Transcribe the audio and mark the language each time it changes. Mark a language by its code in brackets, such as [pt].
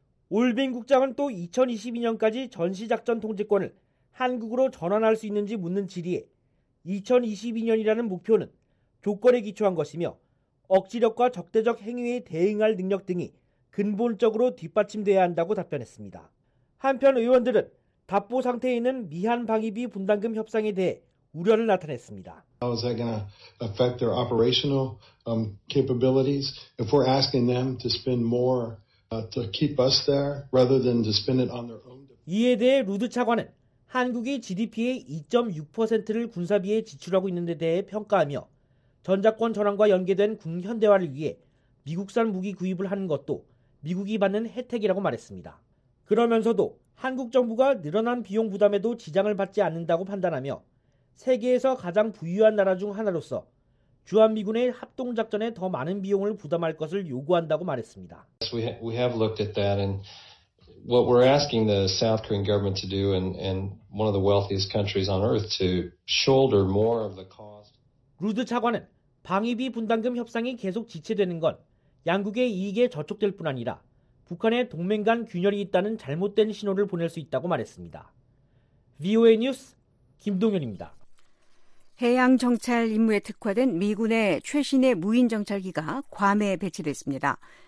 [ko] 올빈 국장은 또 2022년까지 전시작전통제권을 한국으로 전환할 수 있는지 묻는 질의에 2022년이라는 목표는 조건에 기초한 것이며 억지력과 적대적 행위에 대응할 능력 등이 근본적으로 뒷받침돼야 한다고 답변했습니다. 한편 의원들은 답보 상태에 있는 미한 방위비 분담금 협상에 대해 우려를 나타냈습니다. [en] How is that going to affect their operational capabilities if we're asking them to spend more to keep us there rather than to spend it on their own? [ko] 이에 대해 루드 차관은 한국이 GDP의 2.6%를 군사비에 지출하고 있는 데 대해 평가하며 전작권 전환과 연계된 군 현대화를 위해 미국산 무기 구입을 하는 것도 미국이 받는 혜택이라고 말했습니다. 그러면서도 한국 정부가 늘어난 비용 부담에도 지장을 받지 않는다고 판단하며 세계에서 가장 부유한 나라 중 하나로서 주한미군의 합동작전에 더 많은 비용을 부담할 것을 요구한다고 말했습니다. [en] We have looked at that and what we're asking the South Korean government to do and one of the wealthiest countries on earth to shoulder more of the cost. [ko] 루드 차관은 방위비 분담금 협상이 계속 지체되는 건 양국의 이익에 저촉될 뿐 아니라 북한의 동맹 간 균열이 있다는 잘못된 신호를 보낼 수 있다고 말했습니다. VOA 뉴스 김동현입니다. 해양정찰 임무에 특화된 미군의 최신의 무인정찰기가 괌에 배치됐습니다.